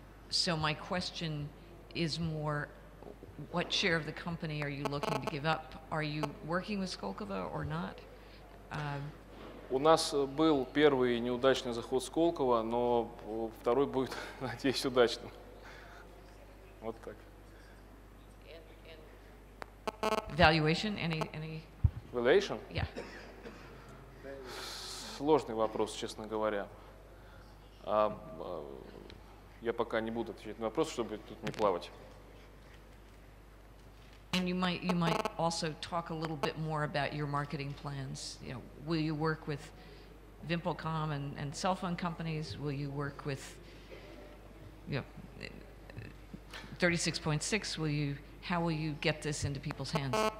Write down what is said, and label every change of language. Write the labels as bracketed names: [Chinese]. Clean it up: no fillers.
[English] So my question is more, what share of the company are you looking to give up? Are you working with Сколково or not? [Russian] У нас был первый неудачный заход Сколково, но второй будет, надеюсь, удачным. Вот так. [English] Valuation? Any? Valuation? Yeah. [Russian] Сложный вопрос, честно говоря. Я пока не буду отвечать на вопрос, чтобы тут не плавать. [English] And you might also talk a little bit more about your marketing plans. You know, will you work with VimpelCom and cell phone companies? Will you work with, you know, 36.6? Will you, how will you get this into people's hands?